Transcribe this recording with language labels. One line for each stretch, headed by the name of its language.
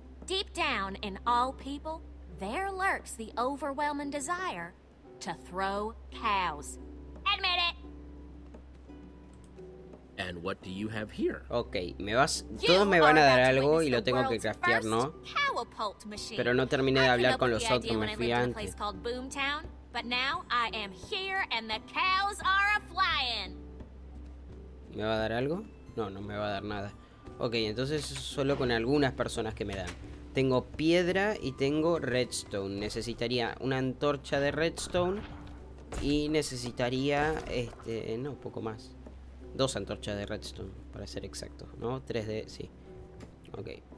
English: Deep down in all people, there lurks the overwhelming desire to throw cows. Admit it. And what do you have here?
Spanish: Okay, todos me van a dar algo y lo tengo que craftear, ¿no? Pero no terminé de hablar con los otros, me fui antes.
English: But now I am here and the cows are a flying.
Spanish: ¿Me va a dar algo? No, no me va a dar nada. Ok, entonces solo con algunas personas que me dan. Tengo piedra y tengo redstone. Necesitaría una antorcha de redstone. Y necesitaría, no, poco más. Dos antorchas de redstone, para ser exacto. ¿No? 3D, sí. Ok.